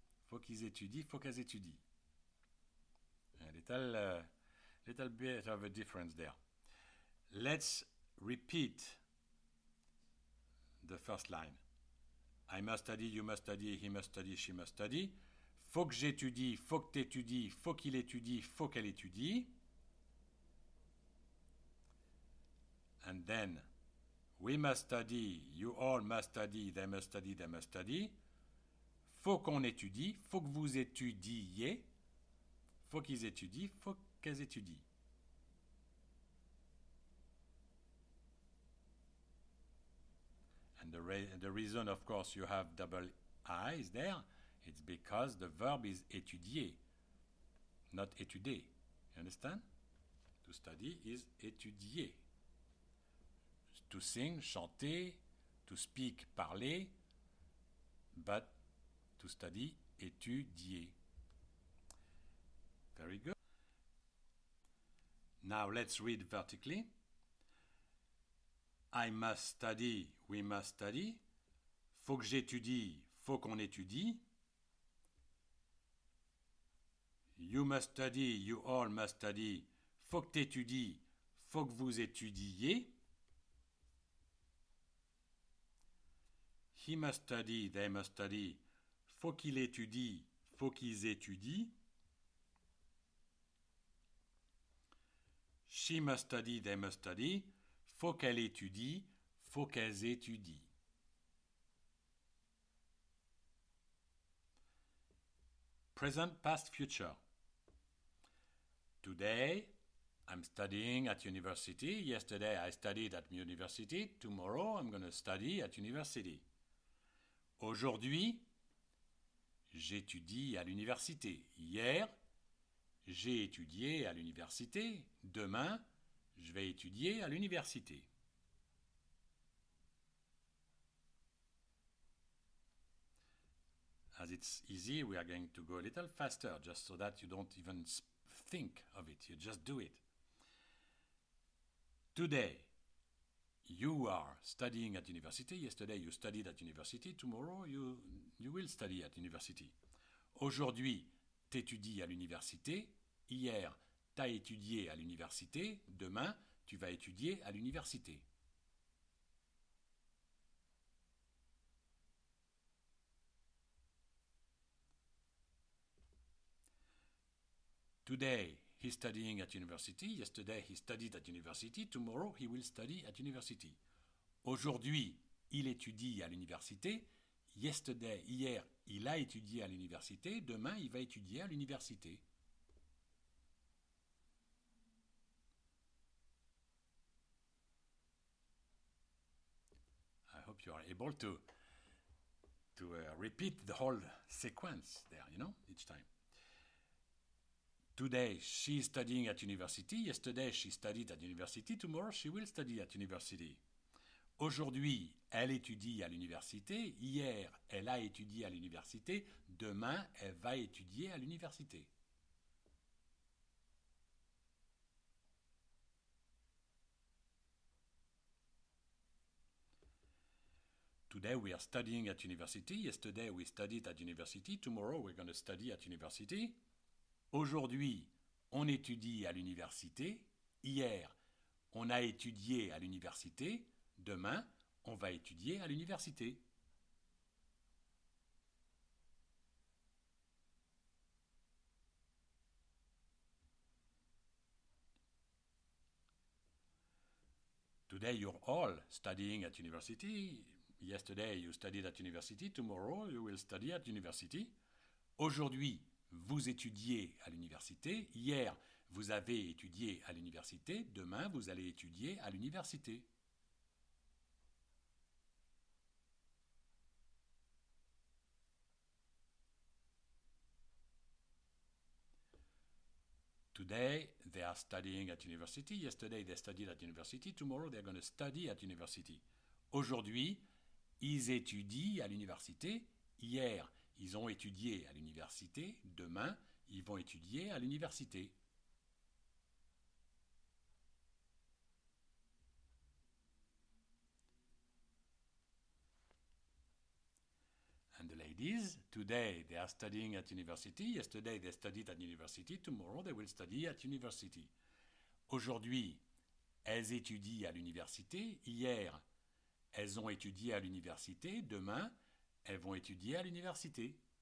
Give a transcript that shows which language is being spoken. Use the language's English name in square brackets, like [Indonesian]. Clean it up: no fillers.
[French] Faut qu'ils étudient, faut qu'elles étudient. [English] A little bit of a difference there. Let's repeat the first line. I must study, you must study, he must study, she must study. [French] Faut que j'étudie, faut que t'étudies, faut qu'il étudie, faut qu'elle étudie. [English] And then, we must study, you all must study, they must study, they must study. [French] Faut qu'on étudie, faut que vous étudiez, faut qu'ils étudient, faut qu'elles étudient. [English] And the reason, of course, you have double I's there, it's because the verb is étudier, not étudier. You understand? To study is étudier. To sing, chanter, to speak, parler, but to study, étudier. Very good. Now let's read vertically. I must study, we must study. [French] Faut que j'étudie, faut qu'on étudie. [English] You must study, you all must study. [French] Faut que t'étudies, faut que vous étudiez. [English] He must study, they must study. [French] Faut qu'il étudie, faut qu'ils étudient. [English] She must study, they must study. [French] Faut qu'elle étudie, faut qu'elles étudient. [English] Present, past, future. Today, I'm studying at university. Yesterday, I studied at university. Tomorrow, I'm going to study at university. [French] Aujourd'hui, j'étudie à l'université. Hier, j'ai étudié à l'université. Demain, je vais étudier à l'université. [English] As it's easy, we are going to go a little faster, just so that you don't even think of it. You just do it. Today, you are studying at university. Yesterday, you studied at university. Tomorrow, you will study at university. [French] Aujourd'hui, t'étudies à l'université. Hier, t'as étudié à l'université. Demain, tu vas étudier à l'université. [English] Today, he's studying at university. Yesterday, he studied at university. Tomorrow, he will study at university. [French] Aujourd'hui, il étudie à l'université. Yesterday, hier, il a étudié à l'université. Demain, il va étudier à l'université. [English] I hope you are able to repeat the whole sequence there, you know, each time. Today, she's studying at university. Yesterday, she studied at university. Tomorrow, she will study at university. [French] Aujourd'hui, elle étudie à l'université. Hier, elle a étudié à l'université. Demain, elle va étudier à l'université. [English] Today, we are studying at university. Yesterday, we studied at university. Tomorrow, we're going to study at university. [French] Aujourd'hui, on étudie à l'université. Hier, on a étudié à l'université. Demain, on va étudier à l'université. [English] Today you're all studying at university. Yesterday you studied at university. Tomorrow you will study at university. [French] Aujourd'hui, vous étudiez à l'université. Hier, vous avez étudié à l'université. Demain, vous allez étudier à l'université. [English] today they are studying at university. Yesterday they studied at university. Tomorrow they're going to study at university. [French] Aujourd'hui, ils étudient à l'université. Hier, ils ont étudié à l'université. Demain, ils vont étudier à l'université. [English] And the ladies, today they are studying at university. Yesterday they studied at university. Tomorrow they will study at university. [French] Aujourd'hui, elles étudient à l'université. Hier, elles ont étudié à l'université. Demain, elles vont étudier à l'université.